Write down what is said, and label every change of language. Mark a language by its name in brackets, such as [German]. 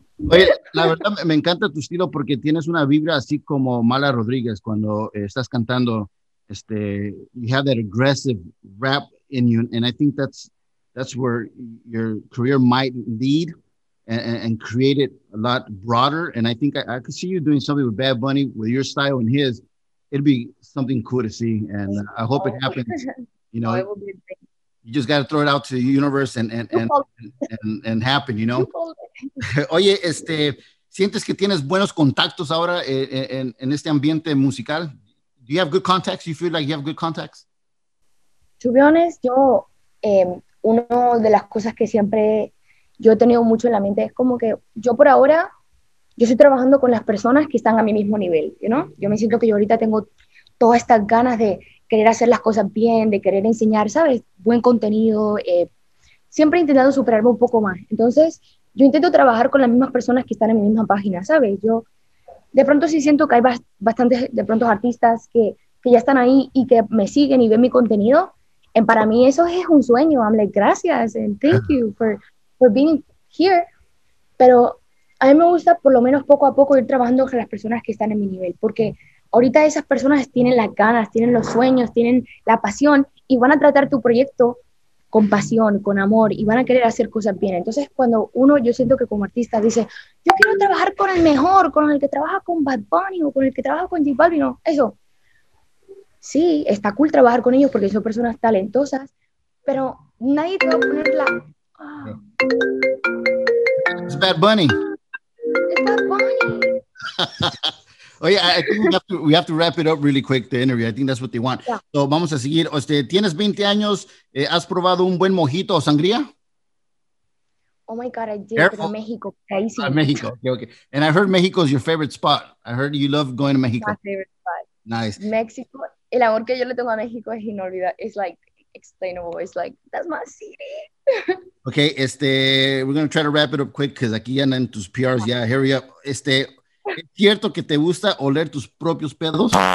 [Spanish] Oye, la verdad me encanta tu estilo porque tienes una vibra así como Mala Rodríguez cuando estás cantando, [English] you have that aggressive rap in you, and I think that's where your career might lead and create it a lot broader, and I think I could see you doing something with Bad Bunny with your style and his, it'd be something cool to see, and I hope it happens, you know, you just gotta throw it out to the universe and happen, you know. [Spanish] Oye, ¿sientes que tienes buenos contactos ahora en este ambiente musical? [English] Do you have good contacts? You feel like you have good contacts? To be honest, [Spanish] yo, una de las cosas que siempre yo he tenido mucho en la mente es como que yo por ahora, yo estoy trabajando con las personas que están a mi mismo nivel, [English] you know? [Spanish] Yo me siento que yo ahorita tengo todas estas ganas de querer hacer las cosas bien, de querer enseñar, ¿sabes? Buen contenido, siempre intentando superarme un poco más. Entonces, yo intento trabajar con las mismas personas que están en mi misma página, ¿sabes? Yo de pronto sí siento que hay bastantes, de pronto, artistas que ya están ahí y que me siguen y ven mi contenido. Y para mí eso es un sueño. [English] I'm like, [Spanish] gracias, [English] and thank you for being here. [Spanish] Pero a mí me gusta, por lo menos poco a poco, ir trabajando con las personas que están en mi nivel, porque ahorita esas personas tienen las ganas, tienen los sueños, tienen la pasión y van a tratar tu proyecto con pasión, con amor, y van a querer hacer cosas bien. Entonces, cuando uno, yo siento que como artista, dice, yo quiero trabajar con el mejor, con el que trabaja con Bad Bunny o con el que trabaja con J Balvin, ¿no? Eso. Sí, está cool trabajar con ellos porque son personas talentosas, pero nadie te va a poner la... [English] It's Bad Bunny. It's Bad Bunny. Oye, oh, yeah, I think we have to wrap it up really quick, the interview. I think that's what they want. Yeah. So, [Spanish] vamos a seguir. ¿Tienes 20 años? ¿Has probado un buen mojito o sangría? [English] Oh, my God, I did. Careful. [Spanish] Pero México. [English] Crazy. México. Okay. And I heard México is your favorite spot. I heard you love going to México. My favorite spot. Nice. México. [Spanish] El amor que yo le tengo a México es inolvidable. [English] It's like, explainable. It's like, that's my city. Okay, we're going to try to wrap it up quick because [Spanish] aquí ya andan tus PRs. [English] Yeah, hurry up. [Spanish] ¿Es cierto que te gusta oler tus propios pedos?